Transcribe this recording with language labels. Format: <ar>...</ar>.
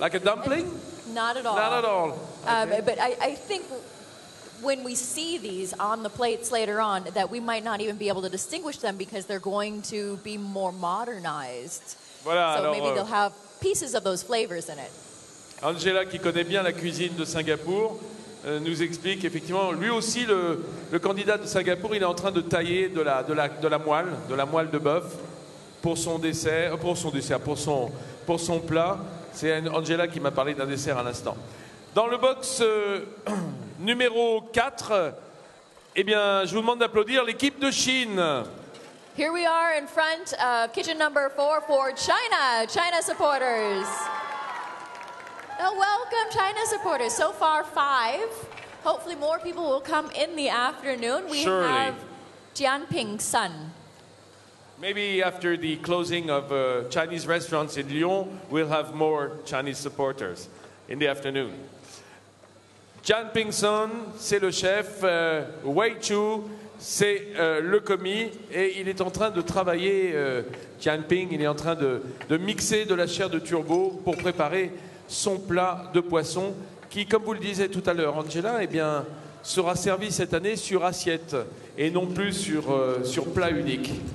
<en>Like a dumpling? Not at all. Okay. But I think... when we see these on the plates later on, that we might not even be able to distinguish them because they're going to be more modernized.</en> <fr>Voilà,</fr> <en>so</en> <fr>alors,</fr> <en>maybe they'll have pieces of those flavors in it.</en> <fr>Angela, qui connaît bien la cuisine de Singapour, nous explique effectivement, lui aussi, le candidat de Singapour, il est en train de tailler de la moelle de bœuf pour son plat. C'est Angela qui m'a parlé d'un dessert à l'instant. Dans le box numéro 4, eh bien, je vous demande d'applaudir l'équipe de Chine.</fr> <en>Here we are in front of kitchen number 4 for China, China supporters. Now, welcome, China supporters. So far, 5. Hopefully, more people will come in the afternoon. We Surely. Have Jianping Sun. Maybe after the closing of Chinese restaurants in Lyon, we'll have more Chinese supporters in the afternoon.</en> <fr>Jian Pingson, c'est le chef, Wei Chu, c'est le commis, et il est en train de travailler, Jian Ping, il est en train de mixer de la chair de turbo pour préparer son plat de poisson qui qui, comme vous le disiez tout à l'heure, Angela, eh bien, sera servi cette année sur assiette et non plus sur, sur plat unique.</fr>